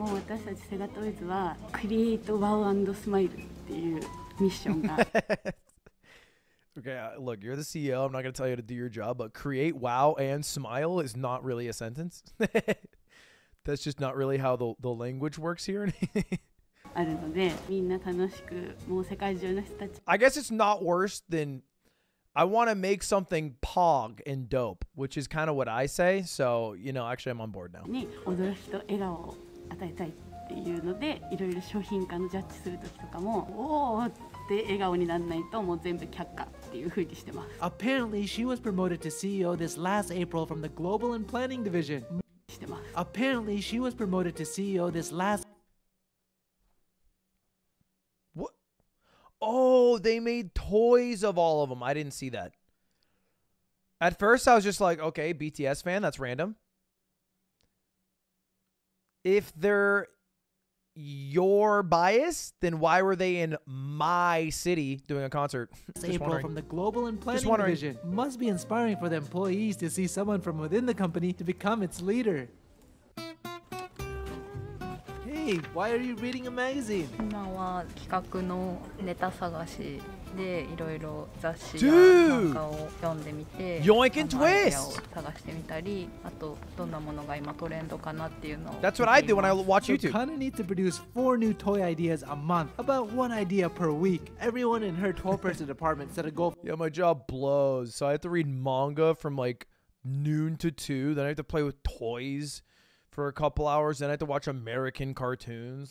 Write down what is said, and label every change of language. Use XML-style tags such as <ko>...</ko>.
<en>Okay, look, you're the CEO. I'm not going to tell you how to do your job, but create wow and smile is not really a sentence. That's just not really how the language works here.</en> <ja>あるので、みんな楽しく、もう世界中の人たち。</ja> <en>I guess it's not worse than I want to make something pog and dope, which is kind of what I say. So, you know, actually, I'm on board now.</en> <ja>に驚きと笑顔を与えたいっていうので、いろいろ商品化のジャッジする時とかも、おーって笑顔にならないと、もう全部却下。</ja> <en>Apparently, she was promoted to CEO this last April from the Global and Planning Division. Apparently, she was promoted to CEO this last. What? Oh, they made toys of all of them. I didn't see that. At first, I was just like, okay, BTS fan, that's random. If they're your bias, then why were they in my city doing a concert? April from the Global and Planning Division. Must be inspiring for the employees to see someone from within the company to become its leader. Hey, why are you reading a magazine?</en> <ja>今は企画のネタ探しでいろいろ雑誌やなんかを読んでみて、</ja> <en>Yoink and Twist</en> <ja>を探してみたり、あとどんなものが今トレンドかなっていうのを。</ja> <en>That's what I do when I watch YouTube. Kana need to produce 4 new toy ideas a month, about 1 idea per week. Everyone in her 12-person department set a goal. Yeah, my job blows. So I have to read manga from like noon to 2, then I have to play with toys for a couple hours, then I have to watch American cartoons.</en>